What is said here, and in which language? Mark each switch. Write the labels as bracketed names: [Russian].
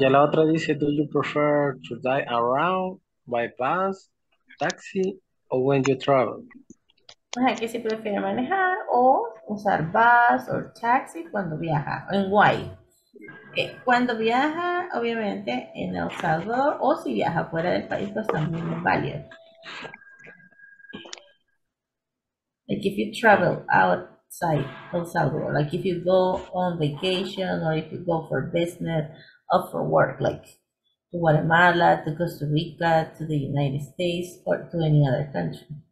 [Spanish] Ya la otra dice, [English] do you prefer to drive around, by bus, taxi, or when you travel? [Spanish] Que si prefiere manejar o usar bus o taxi cuando viaja, en why. Cuando viaja, obviamente, en El Salvador, o si viaja fuera del país, pues también es válido. [English] Like if you travel outside El Salvador, like if you go on vacation, or if you go for business, or for work, like to Guatemala, to Costa Rica, to the United States, or to any other country.